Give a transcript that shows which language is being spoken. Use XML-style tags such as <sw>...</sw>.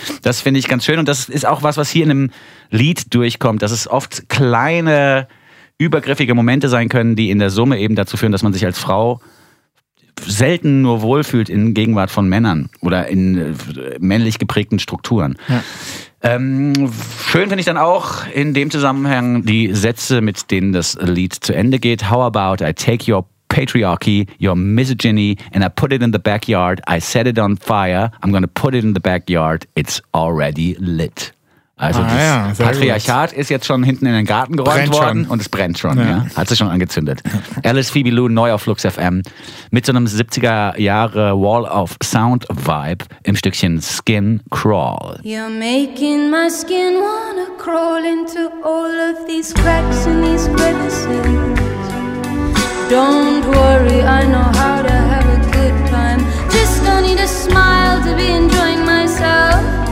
<de>Das finde ich ganz schön und das ist auch was hier in einem Lied durchkommt, dass es oft kleine, übergriffige Momente sein können, die in der Summe eben dazu führen, dass man sich als Frau selten nur wohlfühlt in Gegenwart von Männern oder in männlich geprägten Strukturen. Ja. Schön finde ich dann auch in dem Zusammenhang die Sätze, mit denen das Lied zu Ende geht.</de> <en>How about I take your patriarchy, your misogyny, and I put it in the backyard. I set it on fire. I'm gonna put it in the backyard. It's already lit.</en> <de>Also das Patriarchat ist jetzt schon hinten in den Garten geräumt worden und es brennt schon. Ja. Ja. Hat sich schon angezündet. Alice Phoebe Lou neu auf Lux FM mit so einem 70er Jahre Wall of Sound Vibe im Stückchen Skin Crawl.</de> <en>You're making my skin wanna crawl into all of these cracks and these crevices. Don't worry, I know how to have a good time. Just don't need a smile to be enjoying myself.</en>